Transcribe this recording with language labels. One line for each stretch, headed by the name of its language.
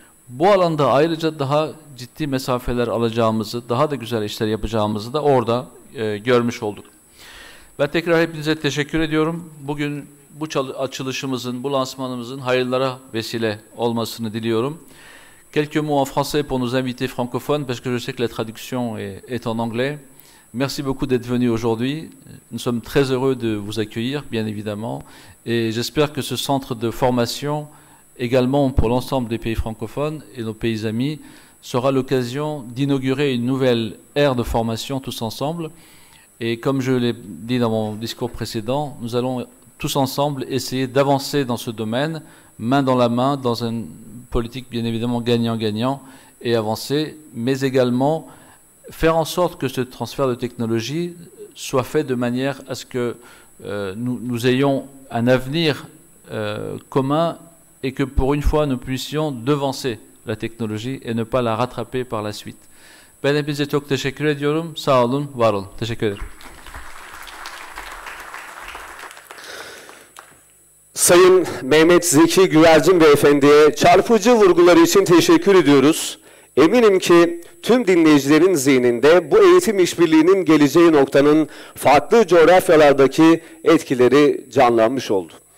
Turkish: Bu alanda ayrıca daha ciddi mesafeler alacağımızı, daha da güzel işler yapacağımızı da orada görmüş olduk. Ben tekrar hepinize teşekkür ediyorum. Bugün bu açılışımızın, bu lansmanımızın hayırlara vesile olmasını diliyorum.
French: Quelques mots en français pour nos invités francophones, parce que je sais que la traduction est en anglais. Merci beaucoup d'être venu aujourd'hui. Nous sommes très heureux de vous accueillir, bien évidemment. Et j'espère que ce centre de formation, également pour l'ensemble des pays francophones et nos pays amis, sera l'occasion d'inaugurer une nouvelle ère de formation tous ensemble. Et comme je l'ai dit dans mon discours précédent, nous allons tous ensemble essayer d'avancer dans ce domaine, main dans la main, dans une politique bien évidemment gagnant-gagnant, et avancer, mais également faire en sorte que ce transfert de technologie soit fait de manière à ce que nous ayons un avenir commun et que pour une fois nous puissions devancer la technologie et ne pas la rattraper par la suite.
Turkish: Ben hepinize çok teşekkür ediyorum. Sağ olun, var olun. Teşekkür ederim. Sayın Mehmet Zeki Güvercin Beyefendi'ye çarpıcı vurguları için teşekkür ediyoruz. Eminim ki tüm dinleyicilerin zihninde bu eğitim işbirliğinin geleceği noktanın farklı coğrafyalardaki etkileri canlanmış oldu.